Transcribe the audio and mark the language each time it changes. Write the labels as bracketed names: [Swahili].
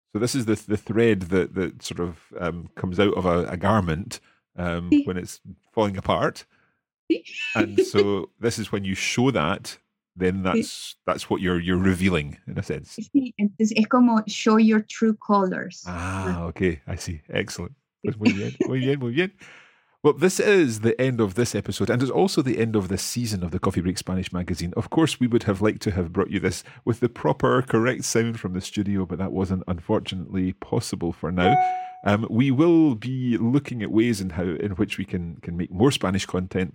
[English] So this is the thread that sort of comes out of a garment [Spanish] sí. [English] when it's falling apart. And so this is when you show that, then that's what you're revealing, in a sense. [Spanish] Sí, es como [English] show your true colors. Ah, okay, I see. Excellent. [Spanish] Pues muy bien, muy bien, muy bien. [English] Well, this is the end of this episode, and it's also the end of this season of the Coffee Break Spanish magazine. Of course, we would have liked to have brought you this with the proper, correct sound from the studio, but that wasn't, unfortunately, possible for now. We will be looking at ways in which we can make more Spanish content.